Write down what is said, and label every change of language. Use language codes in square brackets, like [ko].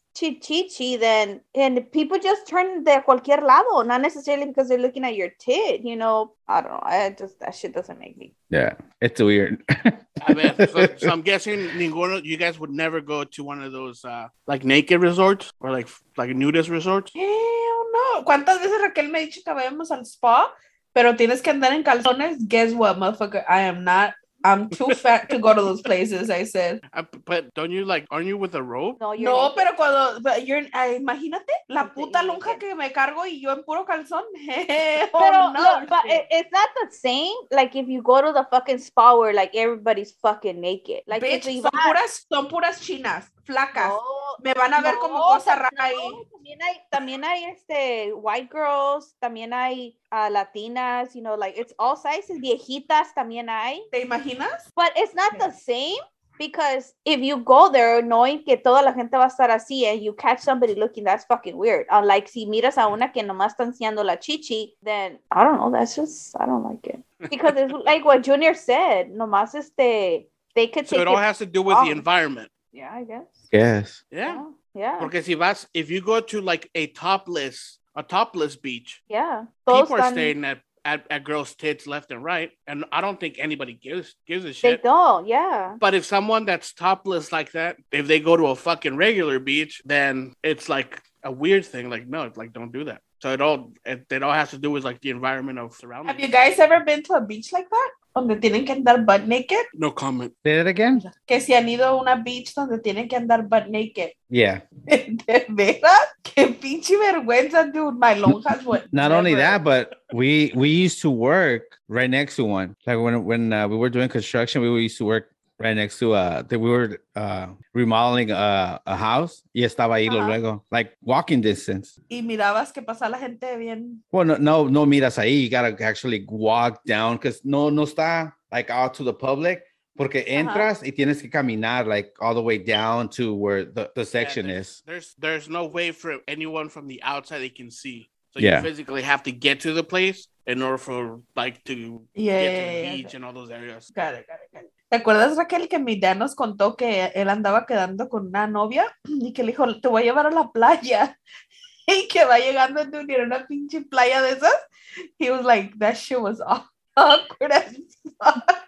[en] Chichichi, then, and people just turn [es] de cualquier lado, [en] not necessarily because they're looking at your tit, you know. I don't know. That shit doesn't make me. Yeah, it's weird. I mean, so I'm guessing ninguno, you guys would never go to one of those like naked resorts or like nudist resorts. Hell no. [es] ¿Cuántas veces Raquel me ha dicho que vayamos al spa, pero tienes que andar en calzones? [en] Guess what, motherfucker? I'm too fat to go to those places, I said. But don't you, like, aren't you with a robe? [es] No, pero cuando, [en] but you're, [es] imagínate, la puta lonja que me cargo y yo en puro calzón. [en] Pero, it's not the same, like, if you go to the fucking spa where, like, everybody's fucking naked. Like, [es] bitch, son puras chinas, flacas. No, me van a ver como cosa rara ahí. También hay white girls, también hay... [en] Latinas, you know, like, it's all sizes. [es] Viejitas también hay. ¿Te imaginas? [en] But it's not the same, because if you go there knowing [es] que toda la gente va a estar así [en] and you catch somebody looking, that's fucking weird. Like, [es] si miras a una que nomás está enseñando la chichi, [en] then, I don't know, that's just, I don't like it. Because it's like what Junior said, nomás they could take it. So it all has to do with the environment. Yeah, I guess. Yes. Yeah. [es] Porque si vas, [en] if you go to, like, a topless beach. Yeah. People are staying at girls' tits left and right. And I don't think anybody gives a shit. They don't, yeah. But if someone that's topless like that, if they go to a fucking regular beach, then it's like a weird thing. Like, no, like, don't do that. So it all has to do with, like, the environment of surrounding. Have you guys ever been to a beach like that? [es] Donde tienen que andar [en] butt naked? No comment. Say that again? [es] Que si han ido a una beach donde tienen que andar [en] butt naked. Yeah. [es] ¿De veras? Qué pinche vergüenza, dude. [en] My lonjas went. Not only that, but we used to work right next to one. Like, when we were doing construction, we used to work right next to, we were remodeling a house. [es] Y estaba ahí luego. [en] Like, walking distance. [es] Y mirabas que pasa la gente bien. [en] Well, [es] no miras ahí. [en] You gotta actually walk down. Because [es] no está, [en] like, out to the public. [es] Porque entras y tienes que caminar, [en] like, all the way down to where the section is. There's no way for anyone from the outside they can see. So you physically have to get to the place in order for, like, to get to the beach and all those areas. Got it. [es] ¿Te acuerdas, Raquel, que mi dad nos contó que él andaba quedando con una novia y que le dijo, te voy a llevar a la playa? Y que va llegando en una pinche playa de esas. [en] He was like, that shit was awkward as fuck.